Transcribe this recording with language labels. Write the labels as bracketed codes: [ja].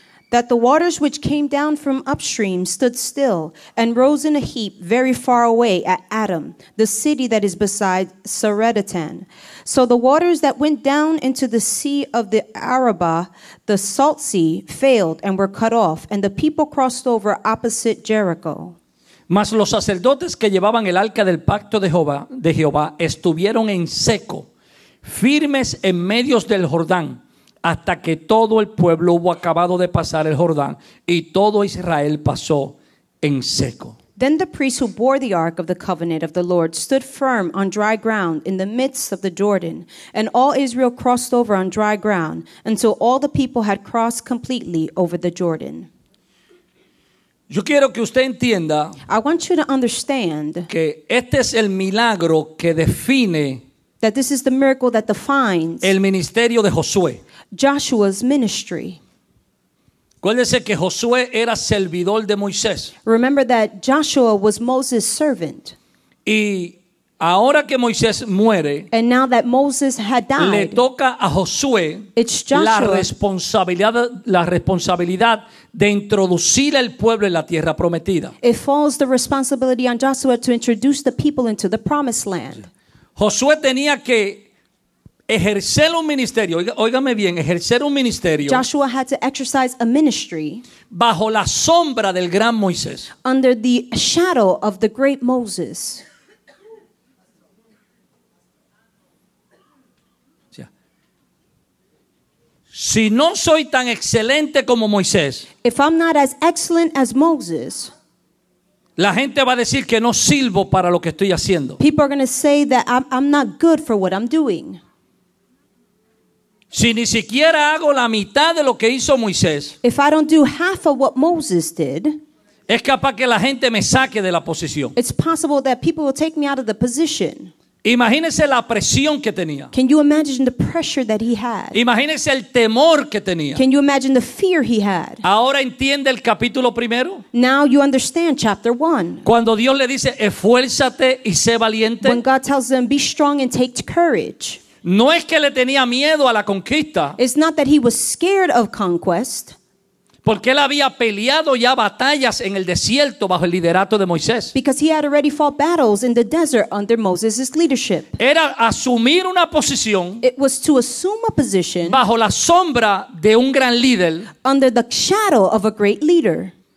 [en] That the waters which came down from upstream stood still and rose in a heap very far away at Adam, the city that is beside Saredatan. So the waters that went down into the sea of the Arabah, the salt sea, failed and were cut off, and the people crossed over opposite Jericho. [es] Mas los sacerdotes que llevaban el arca del pacto de Jehová estuvieron en seco, firmes en medio del Jordán, hasta que todo el pueblo hubo acabado de pasar el Jordán, y todo Israel pasó en seco. [en] Then the priests who bore the ark of the covenant of the Lord stood firm on dry ground in the midst of the Jordan, and all Israel crossed over on dry ground, until all the people had crossed completely over the Jordan. [es] Yo quiero que usted entienda, [en] I want you to understand, [es] que este es el milagro que define, [en] that this is the miracle that defines, [es] el ministerio de Josué. [en] Joshua's ministry. [es] Acuérdese que Josué era servidor de Moisés. [en] Remember that Joshua was Moses' servant. [es] Y Ahora que Moisés muere, [en] and now that Moses had died, [es] le toca a Josué la responsabilidad de introducir al pueblo en la tierra prometida. [en] It falls the responsibility on Joshua to introduce the people into the promised land. [es] Josué tenía que ejercer un ministerio, óigame bien, ejercer un ministerio. [en] Joshua had to exercise a ministry [es] bajo la sombra del gran Moisés. [en] Under the shadow of the great Moses. [es] Si no soy tan excelente como Moisés, [en] if I'm not as excellent as Moses, [es] la gente va a decir que no sirvo para lo que estoy haciendo. [en] People are going to say that I'm not good for what I'm doing. [es] Si ni siquiera hago la mitad de lo que hizo Moisés, [en] if I don't do half of what Moses did, [es] es capaz que la gente me saque de la posición. [en] It's possible that people will take me out of the position. [es] Imagínese la presión que tenía. [en] Can you imagine the pressure that he had? [es] Imagínese el temor que tenía. [en] Can you imagine the fear he had? [es] Ahora entiende el capítulo primero. [en] Now you understand chapter one. [es] Cuando Dios le dice, esfuérzate y sé valiente. [en] When God tells them, be strong and take courage. [es] No es que le tenía miedo a la conquista. [en] It's not that he was scared of conquest. [es] Porque él había peleado ya batallas en el desierto bajo el liderato de Moisés. [en] Because he had already fought battles in the desert under Moses' leadership. [es] Era asumir una posición. [en] It was to assume a position. [es] Bajo la sombra de un gran líder. [en] Under the shadow of a great leader.